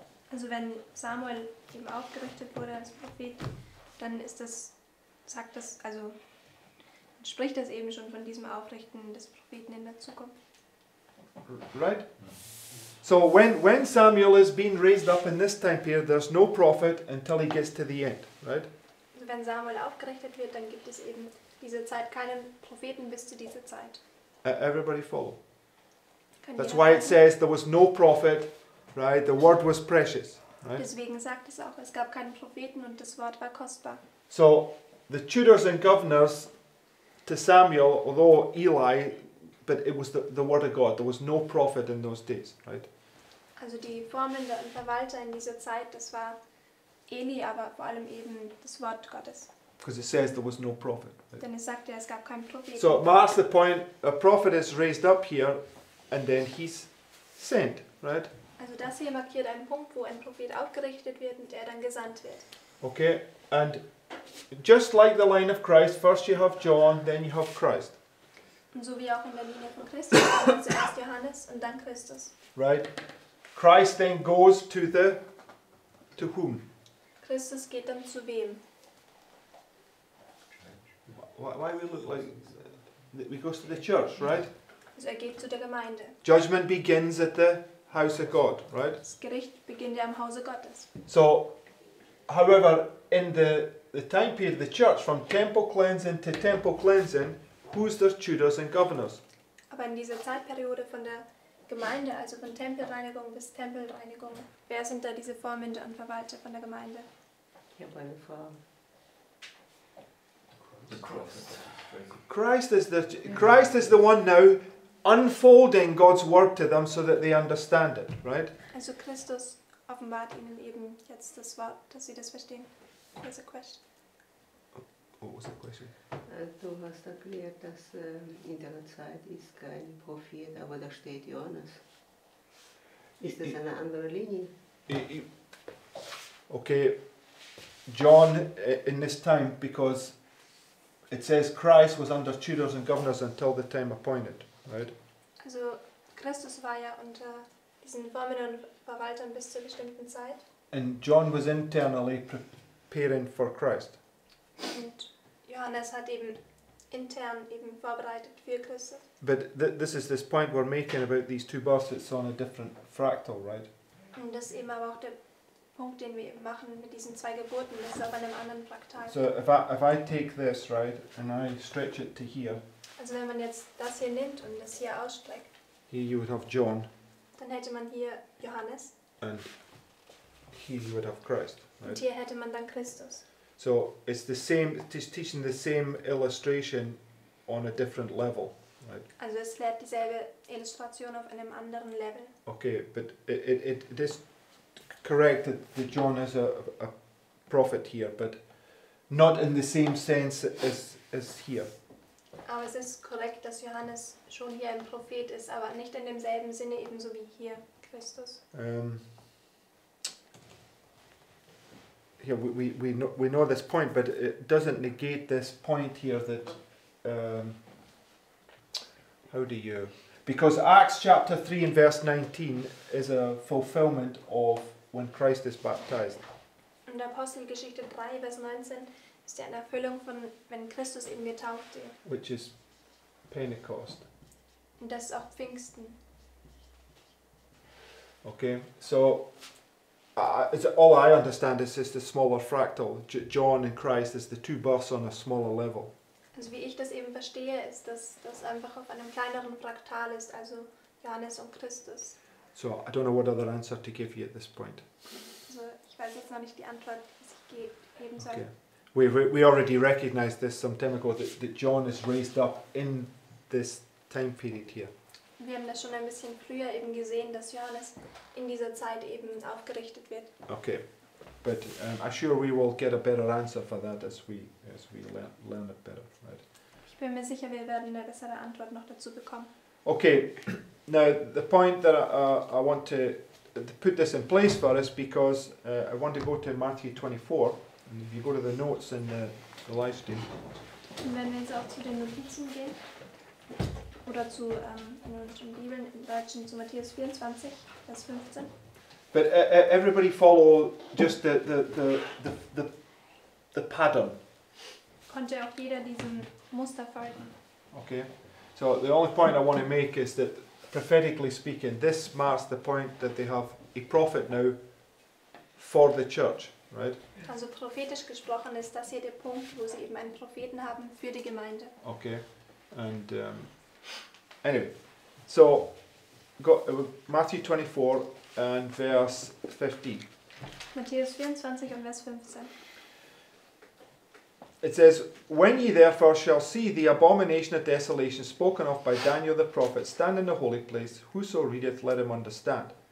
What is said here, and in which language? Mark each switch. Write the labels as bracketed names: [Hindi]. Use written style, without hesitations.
[German] Also, [English] when [German] Samuel eben aufgerichtet wurde als Prophet, dann ist das, sagt das, also spricht das eben schon von diesem Aufrichten des Propheten in der Zukunft. [English] Right? So, when Samuel is being raised up in this time period, there's no prophet until he gets to the end, right? [German] Also, wenn Samuel aufgerichtet wird, dann gibt es eben diese Zeit keinen Propheten bis zu dieser Zeit. [English] Everybody follow. That's why it says there was no prophet, right? The word was precious, right? [German] Deswegen sagt es auch, es gab keinen Propheten und das Wort war kostbar. [English] So the tutors and governors to Samuel, although Eli, but it was the word of God. There was no prophet in those days, right? [German] Also die Vormünder und Verwalter in dieser Zeit, das war Eli, aber vor allem eben das Wort Gottes. [English] Because it says there was no prophet. Right? [German] Denn es sagt ja, es gab keinen Propheten. [English] So it marks the point, a prophet is raised up here, and then he's sent, right? [German] Also das hier markiert einen Punkt, wo ein Prophet aufgerichtet wird und der dann gesandt wird. [English] Okay, and just like the line of Christ, first you have John, then you have Christ. [German] Und so wie auch in der Linie von Christus, zuerst Johannes und dann Christus. [English] Right? Christ then goes to the... to whom? [German] Christus geht dann zu wem? [English] Why we look like we go to the church, right? [German] Also er geht zu der Gemeinde. [English] Judgment begins at the house of God, right? [German] Das Gericht beginnt ja am Hause Gottes. [English] So, however, in the time period of the church, from temple cleansing to temple cleansing, who's their tutors and governors? [German] Aber in dieser Zeitperiode von der Gemeinde, also von Tempelreinigung bis Tempelreinigung, wer sind da diese Vormünder und Verwalter von der Gemeinde? Ich habe eine Frage. [English] Christ is the one now unfolding God's word to them so that they understand it, right? [German] Also Christus offenbart ihnen eben jetzt das Wort, dass sie das verstehen. [English] There's a question. What was the question? [German] Du hast erklärt, dass in der Zeit ist kein Prophet, aber da steht Johannes. Ist das eine andere Linie? [English] Okay, John in this time, because it says Christ was under tutors and governors until the time appointed, right? [German] Also Christus war ja unter diesen Vormündern und Verwaltern bis zur bestimmten Zeit. [English] And John was internally preparing for Christ. [German] Und Johannes hat eben intern eben vorbereitet für Christus. [English] But this is this point we're making about these two bars, it's on a different fractal, right? [German] Und das ist eben aber auch der Punkt, den wir machen mit diesen zwei Geburten, das ist aber in einem anderen Fraktal. [English] So if I take this, right, and I stretch it to here. [German] Also wenn man jetzt das hier nimmt und das hier ausstreckt. [English] Here you would have John. [German] Dann hätte man hier Johannes. [English] And here you would have Christ. Right? [German] Und hier hätte man dann Christus. [English] So it's the same, it's teaching the same illustration on a different level. Right? [German] Also es lehrt dieselbe Illustration auf einem anderen Level. [English] Okay, but it is correct that John is a prophet here, but not in the same sense as here. [German] Aber es ist korrekt, dass Johannes schon hier ein Prophet ist, aber nicht in demselben Sinne ebenso wie hier Christus. [English] Here we know this point, but it doesn't negate this point here that how do you, because Acts chapter 3 and verse 19 is a fulfillment of when Christ is baptized. [German] Und Apostelgeschichte 3 Vers 19 ist ja eine Erfüllung von wenn Christus eben getauft wird. [English] Which is Pentecost. [German] Und das ist auch Pfingsten. [English] Okay, so. All I understand is just a smaller fractal. John and Christ is the two births on a smaller level. [German] Also wie ich das eben verstehe, ist, dass das einfach auf einem kleineren Fraktal ist, also Johannes und Christus. [English] So I don't know what other answer to give you at this point. [German] Also ich weiß jetzt noch nicht die Antwort, was ich geben soll. [English] Okay. We already recognized this some time ago that John is raised up in this time period here. [German] Wir haben das schon ein bisschen früher eben gesehen, dass Johannes in dieser Zeit eben aufgerichtet wird. [English] Okay, but I'm sure we will get a better answer for that as we learn it better, right? [German] Ich bin mir sicher, wir werden eine bessere Antwort noch dazu bekommen. [English] Okay, now the point that I want to put this in place for is because I want to go to Matthew 24, and if you go to the notes in the live stream. [German] Und wenn wir jetzt auch zu den Notizen gehen. Oder zu in unseren Bibeln im Deutschen zu Matthäus 24, Vers 15. [English] But everybody follow just the pattern. [German] Konnte auch jeder diesem Muster folgen. [English] Okay, so the only point I want to make is that prophetically speaking, this marks the point that they have a prophet now for the church, right? [German] Also prophetisch gesprochen ist das hier der Punkt, wo sie eben einen Propheten haben für die Gemeinde. [English] Okay, and anyway, so got Matthew 24 and verse 15. [German] Matthäus 24 und Vers 15. [English] It says, "When ye therefore shall see the abomination of desolation spoken of by Daniel the prophet stand in the holy place, whoso readeth, let him understand.